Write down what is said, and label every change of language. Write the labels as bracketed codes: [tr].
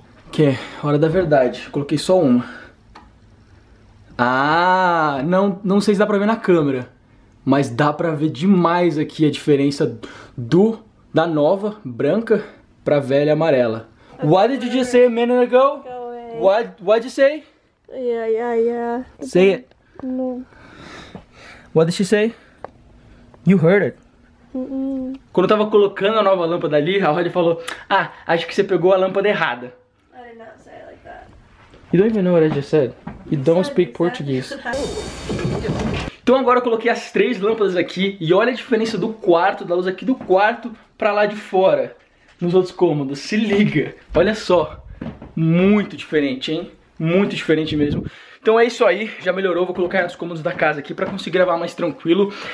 [pt] Que é hora da verdade. Coloquei só uma. Ah, não sei se dá pra ver na câmera. Mas dá pra ver demais aqui a diferença da nova branca pra velha amarela. [en] What did you just say a minute ago? What did you say? Yeah. Say it. No. What did she say? You heard it. Mm-mm. [pt] Quando eu tava colocando a nova lâmpada ali, a Holly falou, ah, acho que você pegou a lâmpada errada. [en] I did not say it like that. You don't even know what I just said. You don't speak Portuguese. [pt] Então agora eu coloquei as três lâmpadas aqui e olha a diferença do quarto, da luz aqui do quarto pra lá de fora. Nos outros cômodos. Se liga. Olha só. Muito diferente, hein? Muito diferente mesmo. Então é isso aí, já melhorou, vou colocar nos cômodos da casa aqui pra conseguir gravar mais tranquilo.